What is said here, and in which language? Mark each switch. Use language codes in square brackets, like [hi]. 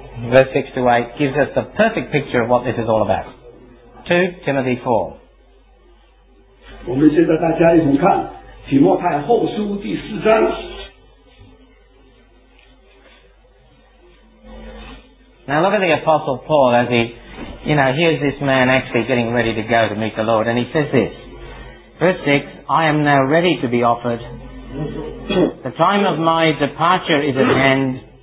[en] Verse 6 to 8 gives us the perfect picture of what this is all about. 2 Timothy 4. [zh] 我们现在大家一同看提摩太后书第四章。 [en] Now look at the Apostle Paul as he, you know, here's this man actually getting ready to go to meet the Lord, and he says this. Verse 6, I am now ready to be offered. The time of my departure is at hand.